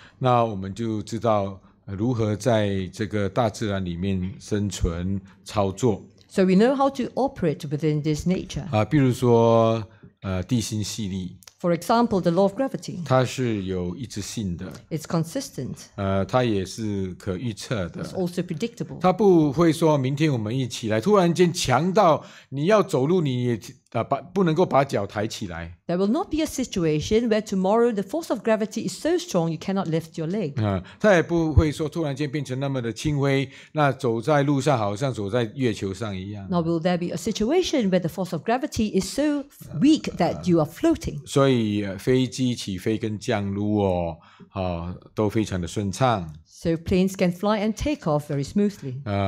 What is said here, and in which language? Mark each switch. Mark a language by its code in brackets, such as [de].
[zh] 那我们就知道如何在这个大自然里面生存操作 [en] So we know how to operate within this nature. [zh] 比如说地心吸力 [en] For example, the law of gravity. [zh] 它是有一致性的, [en] it's consistent. [zh] 它也是可预测的, [en] it's also predictable. [zh] 它不会说明天我们一起来突然间强到你要走路你也不能够把脚抬起来。 [en] There will not be a situation where tomorrow the force of gravity is so strong you cannot lift your leg. [zh] 它也不会说突然间变成那么的轻微,那走在路上好像走在月球上一样。 [en] Nor will there be a situation where the force of gravity is so weak that you are floating. [zh] 所以飞机起飞跟降落都非常的顺畅。 [en] So planes can fly and take off very smoothly.